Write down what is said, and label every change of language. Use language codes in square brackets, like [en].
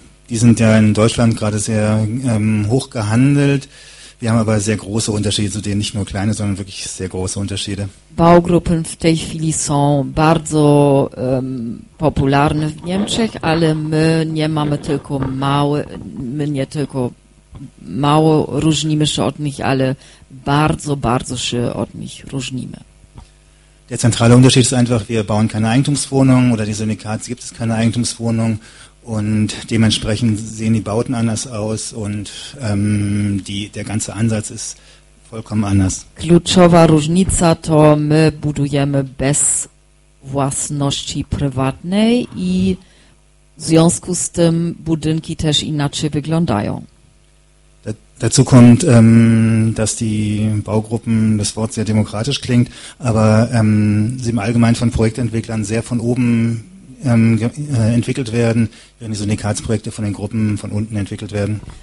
[de] Die sind ja in Deutschland gerade sehr hoch gehandelt. Wir haben aber sehr große Unterschiede zu denen, nicht nur kleine, sondern wirklich sehr große Unterschiede. [pl] Baugruppen w tej chwili są bardzo popularne w Niemczech, ale my nie mamy tylko małe, my nie tylko mało różnimy się od nich, ale bardzo, bardzo się od nich różnimy. [de] Der zentrale Unterschied ist einfach, wir bauen keine Eigentumswohnungen oder die Syndikate gibt es keine Eigentumswohnungen und dementsprechend sehen die Bauten anders aus und der ganze Ansatz ist vollkommen anders. [pl] Kluczowa różnica to my budujemy bez własności prywatnej i w związku z tym budynki też inaczej wyglądają. [de] Dazu kommt, dass die Baugruppen, das Wort sehr demokratisch klingt, aber sie im Allgemeinen von Projektentwicklern sehr von oben entwickelt werden, während die Syndikatsprojekte von den Gruppen von unten entwickelt werden.